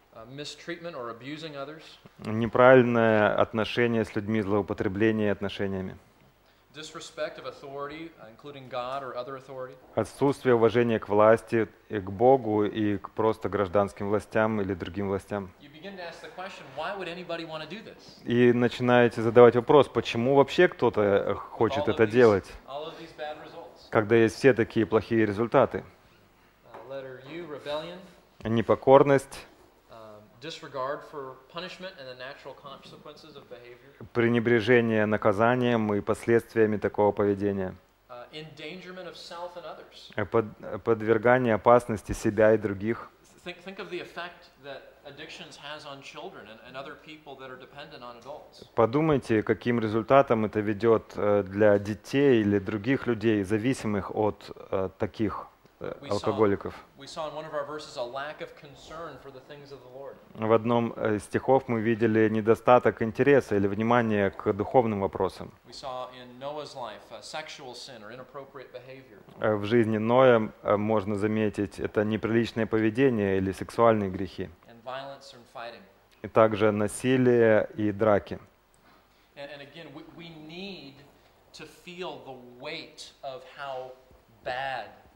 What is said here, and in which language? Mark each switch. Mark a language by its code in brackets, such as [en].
[en] Mistreatment or abusing others. [ru] Неправильное отношение с людьми, злоупотребление отношениями. [en] Disrespect of authority, including God or other authority. [ru] Отсутствие уважения к власти, и к Богу и к просто гражданским властям или другим властям. [en] You begin to ask the question, why would anybody want to do this? [ru] И начинаете задавать вопрос, почему вообще кто-то хочет это делать? [en] All of these bad results. [ru] Когда есть все такие плохие результаты. [en] Letter U, rebellion. [ru] Непокорность. [en] Disregard for punishment and the natural consequences of behavior. [ru] Пренебрежение наказанием и последствиями такого поведения. [en] Endangerment of self and others. [ru] Подвергание опасности себя и других. [en] Think of the effect that addictions has on children and other people that are dependent on adults. [ru] Подумайте, каким результатом это ведет для детей или других людей, зависимых от таких. [en] We saw in one of our verses a lack of concern for the things of the Lord. [ru] В одном из стихов мы видели недостаток интереса или внимания к духовным вопросам. [en] We saw in Noah's life a sexual sin or inappropriate behavior. [ru] В жизни Ноя можно заметить это неприличное поведение или сексуальные грехи. [en] And violence and fighting. [ru] И также насилие и драки. [en] And again, we need to feel the weight of how bad.